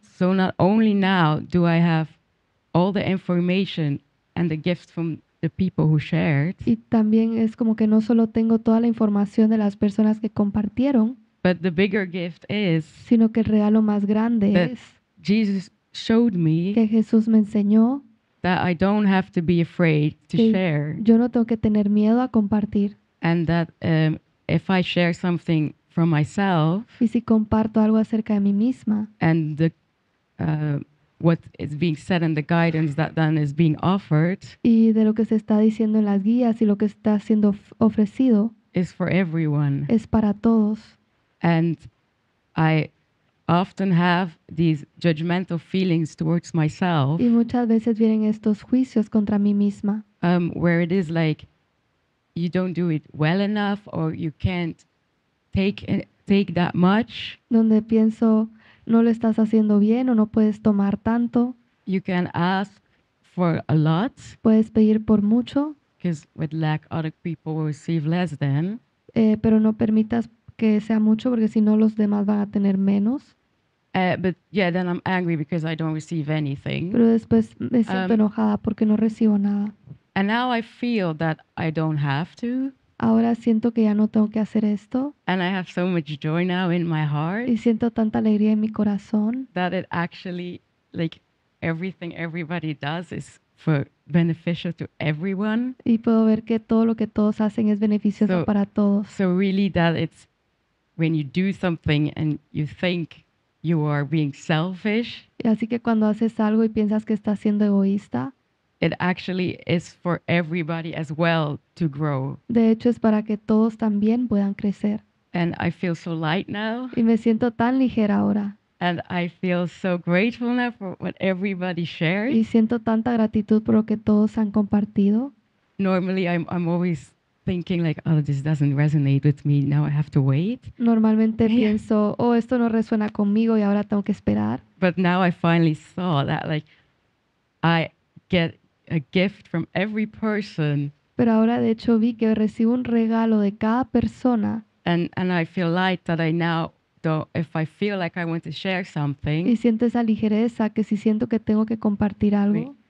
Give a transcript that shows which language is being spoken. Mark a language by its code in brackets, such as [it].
[en] So not only now do I have all the information and the gifts from the people who shared, [es] y también es como que no solo tengo toda la información de las personas que compartieron. [en] But the bigger gift is, [es] sino que el regalo más grande es, [en] Jesus showed me, [es] que Jesús me enseñó, [en] that I don't have to be afraid to share. [es] Yo no tengo que tener miedo a compartir. [en] And that if I share something from myself, [es] y si comparto algo acerca de mí misma, [en] and the what is being said in the guidance that then is being offered, [es] y de lo que se está diciendo en las guías y lo que está siendo ofrecido, [en] is for everyone. [es] Es para todos. [en] And I often have these judgmental feelings towards myself. [es] Y muchas veces vienen estos juicios contra mí misma. [en] Where it is like you don't do it well enough, or you can't take that much. [es] Donde pienso no lo estás haciendo bien o no puedes tomar tanto. [en] You can ask for a lot. [es] Puedes pedir por mucho. [en] Because with lack, other people will receive less than. [es] Pero no permitas que sea mucho, porque si no los demás van a tener menos. [en] But yeah, then I'm angry because I don't receive anything. [es] Pero después me siento enojada porque no recibo nada. [en] And now I feel that I don't have to. [es] Ahora siento que ya no tengo que hacer esto. [en] And I have so much joy now in my heart. [es] Y siento tanta alegría en mi corazón. [en] That it actually, like, everything everybody does is for beneficial to everyone. [es] Y puedo ver que todo lo que todos hacen es beneficioso para todos. [en] So really that it's when you do something and you think you are being selfish. [es] Y así que cuando haces algo y piensas que estás siendo egoísta. [en] It actually is for everybody as well to grow. [es] De hecho es para que todos también puedan crecer. [en] And I feel so light now. [es] Y me siento tan ligera ahora. [en] And I feel so grateful now for what everybody shared. [es] Y siento tanta gratitud por lo que todos han compartido. [en] Normally I'm always thinking like, oh, this doesn't resonate with me, now I have to wait. [es] Normalmente pienso, oh, esto no resuena conmigo y ahora tengo que esperar. [en] But now I finally saw that like I get a gift from every person. [es] Pero ahora de hecho vi que recibo un regalo de cada persona. [en] And I feel light that I now, though, if I feel like I want to share something. [es] Y siento esa ligereza que si siento que tengo que compartir algo.